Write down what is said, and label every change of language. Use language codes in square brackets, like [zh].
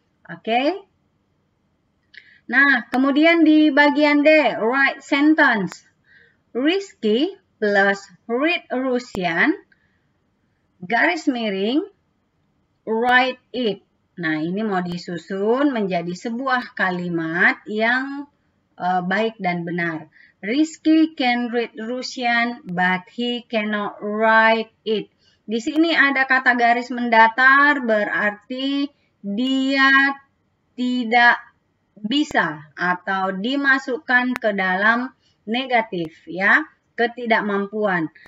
[id] Oke. Okay. Nah, kemudian di bagian D, [en] write sentence. Risky plus read Russian [id] garis miring [en] write it. [id] Nah, ini mau disusun menjadi sebuah kalimat yang baik dan benar. [en] Risky can read Russian, but he cannot write it. [id] Di sini ada kata garis mendatar, berarti dia tidak bisa atau dimasukkan ke dalam negatif, ya, ketidakmampuan.